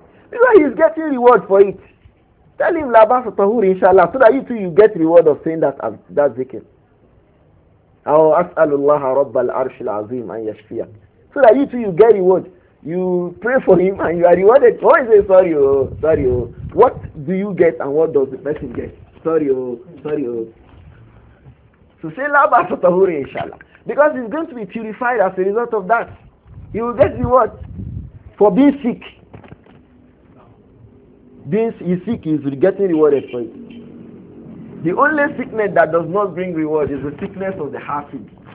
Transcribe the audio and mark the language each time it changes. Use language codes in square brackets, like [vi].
[en] Because he's getting reward for it. Tell him [ar] labas tahur inshallah, [en] so that you too you get reward of saying that zikr. [ar] أو أسأل الله رب العرش العظيم أن يشفيه. [en] So that you too, you get reward. You pray for him and you are rewarded. Oh, he says, sorry, what do you get and what does the person get? Sorry. So say, [ar] لا بأس طهور إن شاء الله. [en] Because he's going to be purified as a result of that. He will get reward for being sick. He's getting rewarded for it. The only sickness that does not bring reward is the sickness of the hafid.